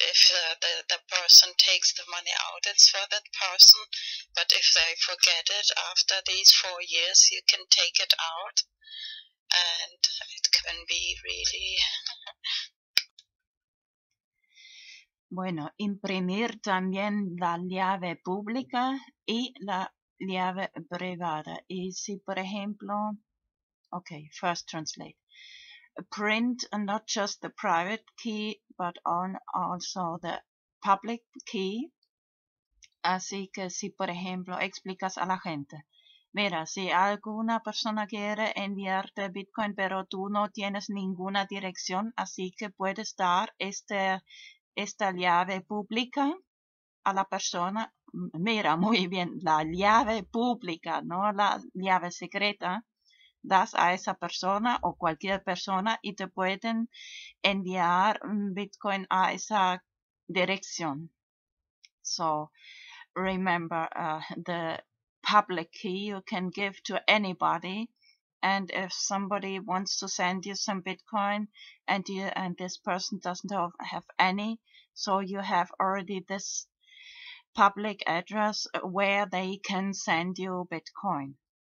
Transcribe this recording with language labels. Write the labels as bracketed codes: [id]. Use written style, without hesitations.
[en] If the person takes the money out, it's for that person. But if they forget it after these 4 years, you can take it out, and it can be really. [es] Bueno, imprimir también la llave pública y la llave privada. Y si, por ejemplo, okay, [en] first translate. Print not just the private key, but on also the public key. [es] Así que si, por ejemplo, explicas a la gente, Mira, si alguna persona quiere enviarte Bitcoin, pero tú no tienes ninguna dirección, así que puedes dar esta llave pública a la persona. Mira, muy bien, la llave pública, no la llave secreta. Das a esa persona o cualquier persona y te pueden enviar Bitcoin a esa dirección. [en] So, remember, the public key you can give to anybody, and if somebody wants to send you some Bitcoin and you and this person doesn't have any, so you have already this public address where they can send you Bitcoin.